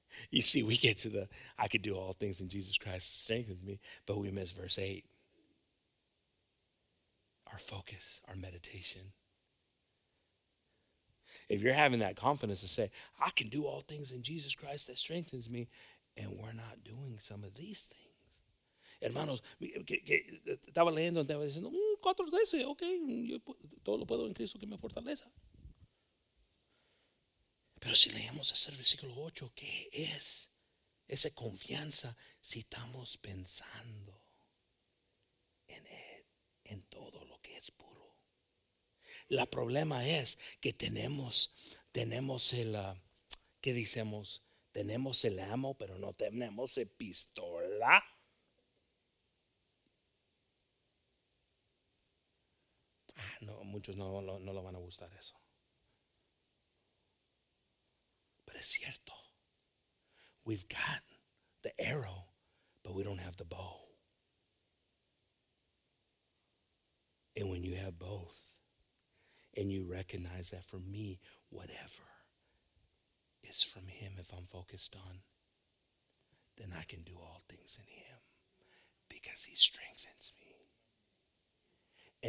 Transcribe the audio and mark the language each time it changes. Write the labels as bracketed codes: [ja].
[en] You see, we get to the, I could do all things in Jesus Christ to strengthen me, but we miss verse 8. Our focus, our meditation. If you're having that confidence to say, I can do all things in Jesus Christ that strengthens me, and we're not doing some of these things. [es] Hermanos, estaba leyendo, estaba diciendo, cuatro veces, okay, yo todo lo puedo en Cristo que me fortaleza. Pero si leemos ese versículo 8, ¿qué es esa confianza si estamos pensando en él, en todo lo que es puro? El problema es que tenemos el amo, pero no tenemos la pistola. Ah, no, muchos no lo van a gustar eso. Es cierto. [en] We've got the arrow, but we don't have the bow. And when you have both, and you recognize that for me, whatever is from him, if I'm focused on, then I can do all things in him because he strengthens me.